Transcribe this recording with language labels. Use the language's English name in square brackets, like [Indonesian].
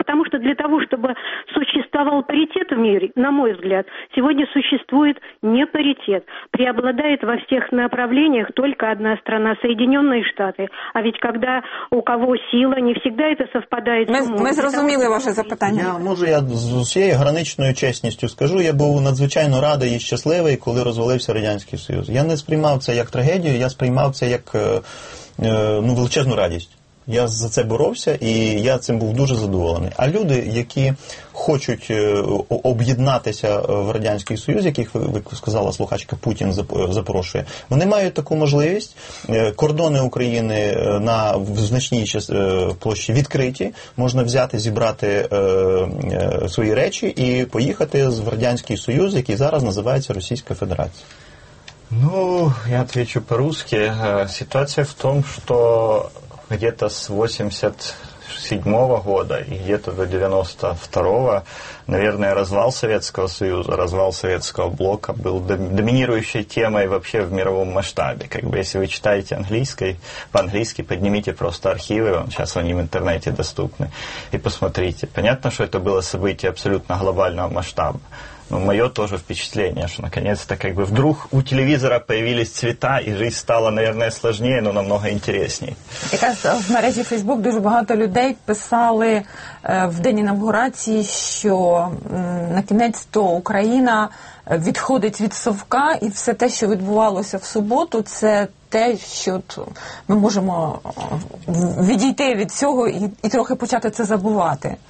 [Russian] Потому что для того, чтобы существовал паритет в мире, на мой взгляд, сегодня существует не паритет. Преобладает во всех направлениях только одна страна, Соединенные Штаты. А ведь когда у кого сила, не всегда это совпадает. [Ukrainian] Мы зрозуміли ваше запитання. Може, я з усією граничною чесністю скажу, я був надзвичайно радий і щасливий, коли розвалився Радянський Союз. Я не сприймав це як трагедію, я сприймав це як величезну радість. Я за це боровся, і я цим був дуже задоволений. А люди, які хочуть об'єднатися в Радянський Союз, яких, як сказала слухачка, Путін запрошує, вони мають таку можливість. Кордони України на значній площі відкриті. Можна взяти, зібрати свої речі і поїхати в Радянський Союз, який зараз називається Російська Федерація. Ну, я відповідаю по-русски. Ситуація в тому, що [Russian] где-то з 87-го года и где-то до 92-го, наверное, развал Советского Союза, развал Советского Блока был доминирующей темой вообще в мировом масштабе. Как бы, если вы читаете английский, по-английски поднимите просто архивы, сейчас они в интернете доступны, и посмотрите. Понятно, что это было событие абсолютно глобального масштаба. Ну, мое тоже впечатление, что наконец-то как бы вдруг у телевизора появились цвета, и жизнь стала, наверное, сложнее, но намного интереснее. [Ukrainian] Якраз в мережі Facebook дуже багато людей писали в день інавгурації, що накінець-то Україна відходить від совка, і все те, що відбувалося в суботу, це те, що ми можемо відійти від цього і трохи почати це забувати.